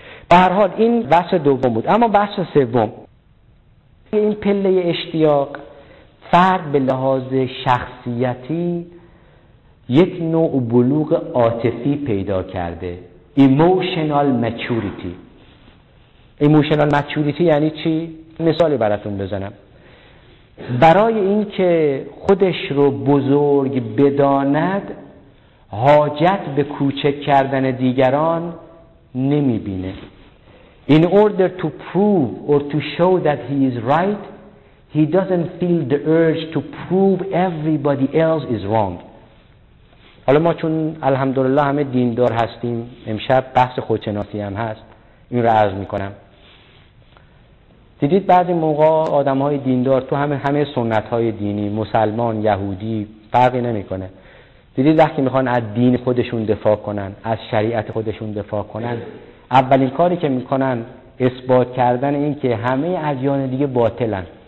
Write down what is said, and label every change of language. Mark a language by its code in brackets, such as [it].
[fa] به هر حال این بحث دوم بود. اما بحث سوم، این پله اشتیاق، فرد به لحاظ شخصیتی یک نوع بلوغ عاطفی پیدا کرده، ایموشنال مچوریتی. ایموشنال مچوریتی یعنی چی؟ مثالی براتون بزنم. برای این که خودش رو بزرگ بداند حاجت به کوچک کردن دیگران نمی بینه. [en] In order to prove or to show that he is right, he doesn't feel the urge to prove everybody else is wrong. [fa] حالا ما چون الحمدلله همه دیندار هستیم، امشب بحث خودشناسی هم هست، این رو عرض می کنم. دیدید بعضی موقع آدم های دیندار تو همه سنت های دینی، مسلمان، یهودی، فرقی نمی کنه، دیدید وقتی میخوان از دین خودشون دفاع کنن، از شریعت خودشون دفاع کنن، اولین کاری که میکنن اثبات کردن این که همه ادیان دیگه باطلن.